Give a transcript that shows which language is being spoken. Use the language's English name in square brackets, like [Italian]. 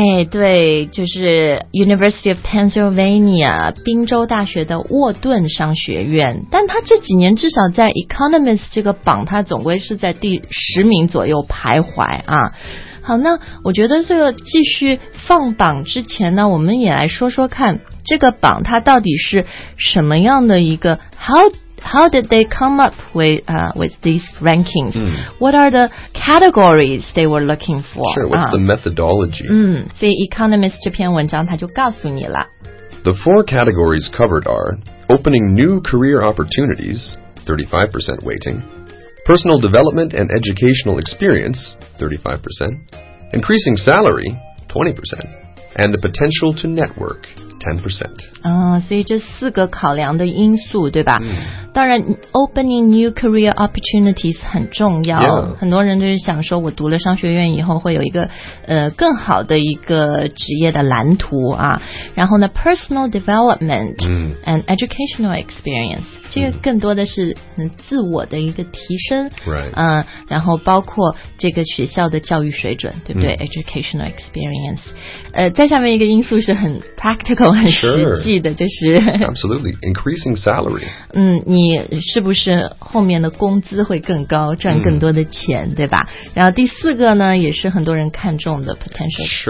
[Chinese] 对，就是 University of Pennsylvania 宾州大学的沃顿商学院，但他这几年至少在 Economist 这个榜他总归是在第10名左右徘徊啊。好，那我觉得这个继续放榜之前呢，我们也来说说看这个榜它到底是什么样的一个 how [English] how did they come up with these rankings? Mm. What are the categories they were looking for? Sure, what's the methodology? [Chinese] Mm, 所以 Economist 这篇文章他就告诉你了。 [English] The four categories covered are opening new career opportunities, 35% weighting, personal development and educational experience, 35%, increasing salary, 20%, and the potential to network, 10%. [Chinese] 所以这四个考量的因素对吧、当然 [English] opening new career opportunities [Chinese] 很重要、很多人就是想说我读了商学院以后会有一个更好的一个职业的蓝图啊。然后呢 [English] personal development、and educational experience [Chinese] 这个更多的是自我的一个提升、然后包括这个学校的教育水准对不对、 [English] educational experience [Chinese] 再下面一个因素是很 practical 很实际的、就是 [English] absolutely increasing salary [Chinese] 你是不是后面的工资会更高赚更多的钱、对吧然后第四个呢也是很多人看重的 [English] potential to